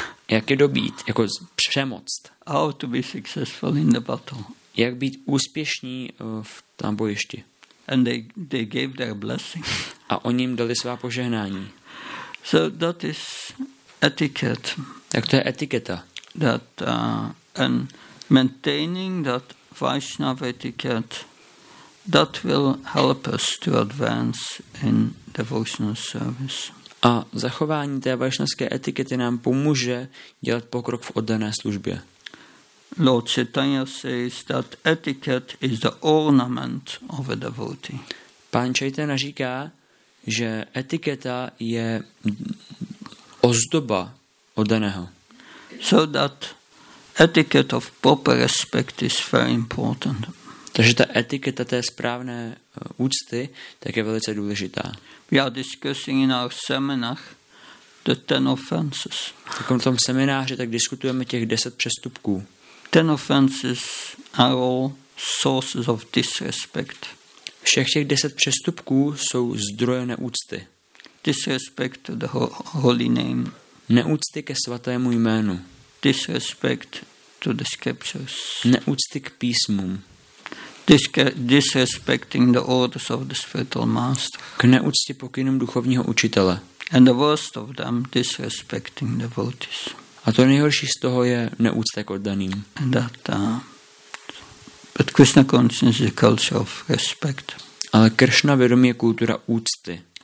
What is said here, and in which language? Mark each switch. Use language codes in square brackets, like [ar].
[cs] Jak je dobít, jako přemoct. [en] How to be successful in the battle. [cs] Jak být úspěšní v tom bojišti. [en] And they gave their blessing. [cs] A oni jim dali svá požehnání. [en] So that is etiquette. [cs] Tak to je etiketa. [en] That and maintaining that Vaishnava etiquette, that will help us to advance in devotional service. [cs] A zachování té vaishnavské etikety nám pomůže dělat pokrok v oddané službě. [en] Lord Chaitanya says that etiquette is the ornament of a devotee. [cs] Pán Chaitanya říká, že etiketa je ozdoba oddaného. [en] So that etiquette of proper respect is very important. [cs] Takže ta etiketa té správné úcty tak je velice důležitá. [en] We are discussing in our seminar the 10 offenses. [cs] Tak v tom semináři tak diskutujeme těch 10 přestupků. [en] 10 offenses are all sources of disrespect. [cs] Všech těch 10 přestupků jsou zdroje neúcty. [en] Disrespect to the holy name. [cs] Neúcty ke svatému jménu. [en] Disrespect to the scriptures. [cs] Neúcty k písmům. [en] Disrespecting the orders of the spiritual master. [cs] K neúcti pokynům duchovního učitele. [en] And the worst of them, disrespecting the devotees. [cs] A to nejhorší z toho je neúcta k oddaným. [en] But Krishna consciousness is a culture of respect. [cs] Ale Kršna vědomí je kultura úcty.